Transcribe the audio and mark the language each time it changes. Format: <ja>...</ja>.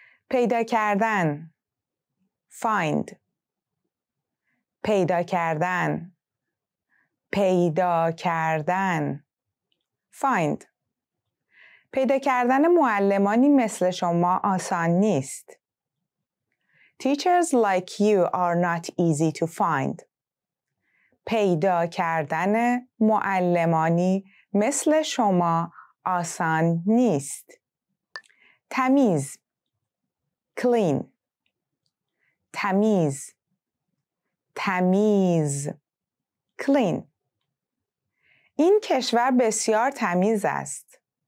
<fa>پیدا کردن. Find. پیدا کردن. پیدا کردن. Find. پیدا کردن معلمانی مثل شما آسان نیست.</fa> <en>Teachers like you are not easy to find.</en> <fa>پیدا کردن معلمانی مثل شما آسان نیست. تمیز. Clean. تمیز. تمیز. Clean. این کشور بسیار تمیز است.</fa>